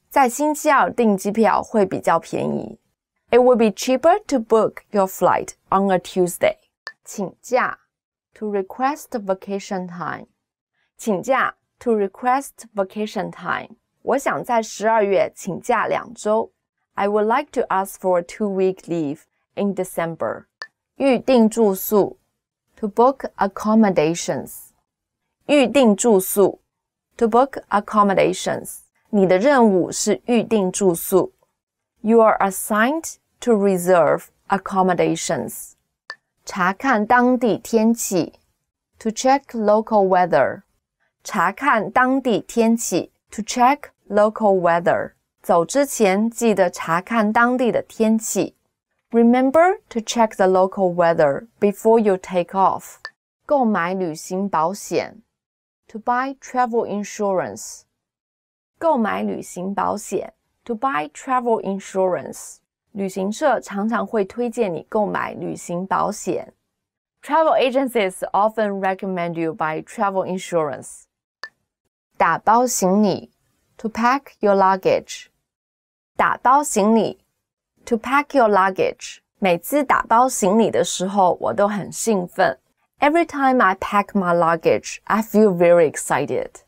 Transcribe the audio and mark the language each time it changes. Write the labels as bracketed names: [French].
[Chinese] 在星期二订机票会比较便宜。 [English] It would be cheaper to book your flight on a Tuesday. 请假 to request vacation time. [Chinese] 请假 [English] to request vacation time. [Chinese] 我想在12月请假两周。 [English] I would like to ask for a 2-week leave in December. [Chinese] 预订住宿 [English] to book accommodations. [Chinese] 预订住宿 [English] to book accommodations. [Chinese] 你的任务是预订住宿。 [English] You are assigned to reserve accommodations. [Chinese] 查看当地天气。 [English] To check local weather. [Chinese] 查看当地天气。 [English] To check local weather. [Chinese] 走之前记得查看当地的天气。 [English] Remember to check the local weather before you take off. [Chinese] 购买旅行保险。 [English] To buy travel insurance. [Chinese] 购买旅行保险 [English] To buy travel insurance [Chinese] 旅行社常常会推荐你购买旅行保险 [English] Travel agencies often recommend you buy travel insurance [Chinese] 打包行李 [English] To pack your luggage [Chinese] 打包行李 [English] To pack your luggage [Chinese] 每次打包行李的时候我都很兴奋 [English] Every time I pack my luggage, I feel very excited.